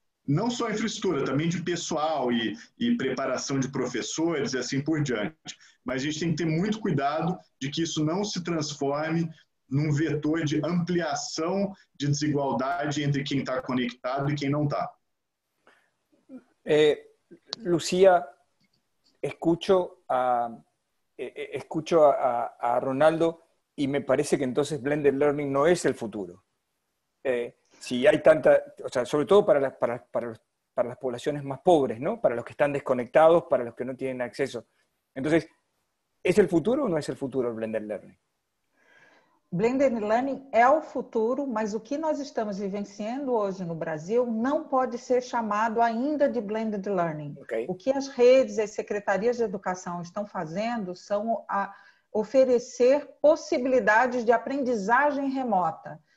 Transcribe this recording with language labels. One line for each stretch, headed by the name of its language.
Portuguese: não só infraestrutura, também de pessoal e preparação de professores e assim por diante. Mas a gente tem que ter muito cuidado de que isso não se transforme num vetor de ampliação de desigualdade entre quem está conectado e quem não está.
Spanish: Lucía, escucho a Ronaldo y me parece que entonces blended learning no es el futuro. Si hay tanta, o sea, sobre todo para las poblaciones más pobres, ¿no? Para los que están desconectados, para los que no tienen acceso. Entonces, ¿es el futuro o no es el futuro el blended learning?
Portuguese: Blended learning é o futuro, mas o que nós estamos vivenciando hoje no Brasil não pode ser chamado ainda de blended learning. Okay. O que as redes, as secretarias de educação estão fazendo são oferecer possibilidades de aprendizagem remota.